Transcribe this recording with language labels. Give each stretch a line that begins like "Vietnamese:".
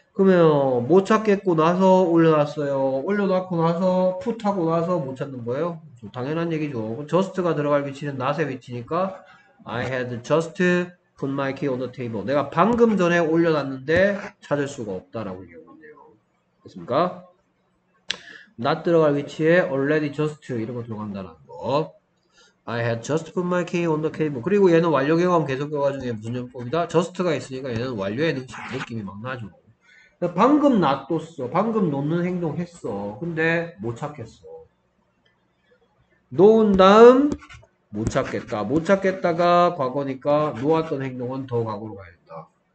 Korean: 그러면 못 찾겠고 나서 올려놨어요. 올려놓고 나서 풋하고 나서 못 찾는 거예요. 당연한 얘기죠. just가 들어갈 위치는 not의 위치니까
English: I had just put my key on the table.
Korean: 내가 방금 전에 올려놨는데 찾을 수가 없다라고 얘기하고 있습니까? not 들어갈 위치에 already just 이런 거 들어간다는 거.
English: I had just put my key on the cable.
Korean: 그리고 얘는 완료 경험 계속과 중에 무슨 용법이다? just가 있으니까 얘는 완료의 느낌이 막 나죠. 방금 놔뒀어. 방금 놓는 행동 했어. 근데 못 찾겠어. 놓은 다음 못 찾겠다. 못 찾겠다가 과거니까 놓았던 행동은 더 과거로 가야 된다.